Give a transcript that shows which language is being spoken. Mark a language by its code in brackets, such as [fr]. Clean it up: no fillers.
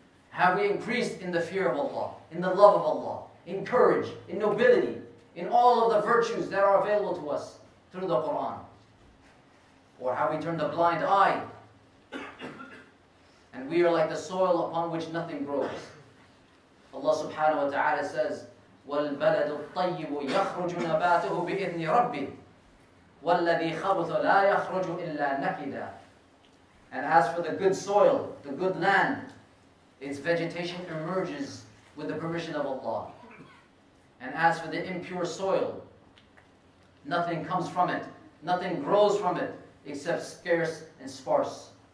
[en] Have we increased in the fear of Allah, in the love of Allah, in courage, in nobility, in all of the virtues that are available to us through the Qur'an? Or have we turned a blind eye and we are like the soil upon which nothing grows? Allah subhanahu wa ta'ala says, [ar] وَالْبَلَدُ الطَّيِّبُ يَخْرُجُ نَبَاتُهُ بِإِذْنِ رَبِّهِ وَالَّذِي خَبُثُ لَا يَخْرُجُ إِلَّا نَكِدًا. [en] And as for the good soil, the good land, its vegetation emerges with the permission of Allah. And as for the impure soil, nothing comes from it, nothing grows from it, except scarce and sparse.